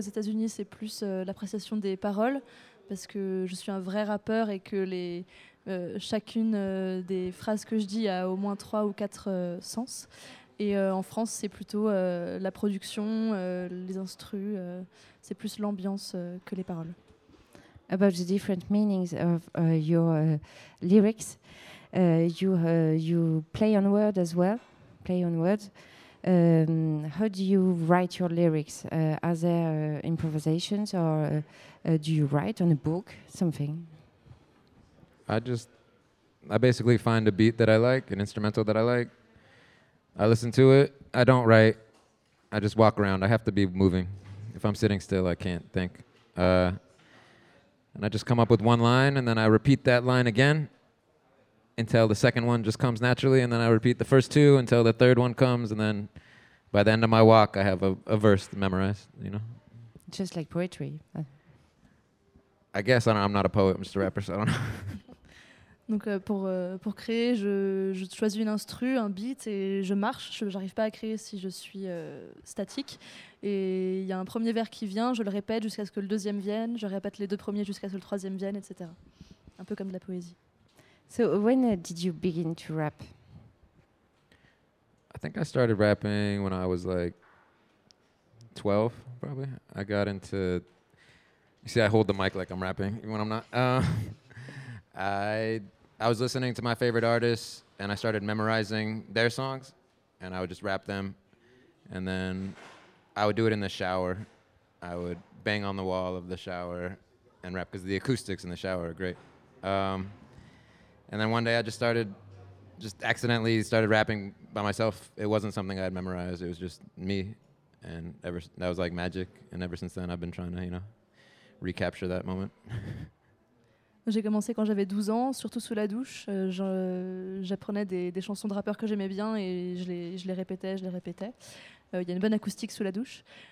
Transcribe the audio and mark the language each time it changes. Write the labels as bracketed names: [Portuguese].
[French] Aux États-Unis, c'est plus l'appréciation des paroles parce que je suis un vrai rappeur et que les... chacune des phrases que je dis a au moins 3 ou 4 sens. Et en France, c'est plutôt la production, les instrus, c'est plus l'ambiance que les paroles. [English] About the different meanings of your lyrics, you play on words as well, play on words. How do you write your lyrics? Are there improvisations or do you write on a book, something? I basically find a beat that I like, an instrumental that I like. I listen to it. I don't write. I just walk around. I have to be moving. If I'm sitting still, I can't think. And I just come up with one line, and then I repeat that line again until the second one just comes naturally, and then I repeat the first two until the third one comes, and then by the end of my walk, I have a verse memorized, you know? Just like poetry. I guess. I'm not a poet. I'm just a rapper, so I don't know. [French] Donc pour créer, je choisis une instru, un beat et je marche. Je n'arrive pas à créer si je suis statique. Et il y a un premier vers qui vient, je le répète jusqu'à ce que le deuxième vienne. Je répète les deux premiers jusqu'à ce que le troisième vienne, etc. Un peu comme de la poésie. [English] So when did you begin to rap? I think I started rapping when I was like 12, probably. I got into... You see, I hold the mic like I'm rapping, even when I'm not... I was listening to my favorite artists and I started memorizing their songs and I would just rap them and then I would do it in the shower. I would bang on the wall of the shower and rap because the acoustics in the shower are great. And then one day I just started, just accidentally started rapping by myself. It wasn't something I had memorized. It was just me. And ever that was like magic. And ever since then, I've been trying to, you know, recapture that moment. [French] J'ai commencé quand j'avais 12 ans, surtout sous la douche. J'apprenais des chansons de rappeurs que j'aimais bien et je les répétais. Il y a une bonne acoustique sous la douche.